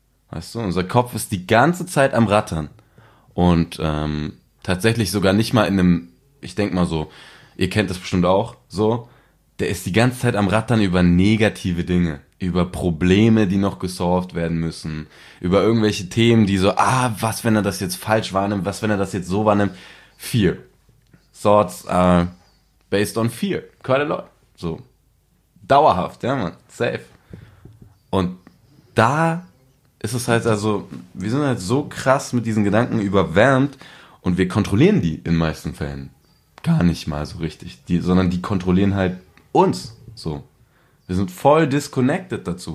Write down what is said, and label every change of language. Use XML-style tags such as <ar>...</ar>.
<de>Weißt du, unser Kopf ist die ganze Zeit am Rattern und tatsächlich sogar nicht mal in einem, ich denke mal so, ihr kennt das bestimmt auch, so, der ist die ganze Zeit am Rattern über negative Dinge, über Probleme, die noch gesolved werden müssen, über irgendwelche Themen, die so, ah, was, wenn er das jetzt falsch wahrnimmt, was, wenn er das jetzt so wahrnimmt.</de> <en>Fear. Thoughts are based on fear. Quite a lot. So.</en> <de>Dauerhaft, ja,</de> <en>man. Safe.</en> <de>Und da ist es halt, also, wir sind halt so krass mit diesen Gedanken überwärmt und wir kontrollieren die in meisten Fällen gar nicht mal so richtig. Die, sondern die kontrollieren halt uns, so. Wir sind voll disconnected dazu.</de>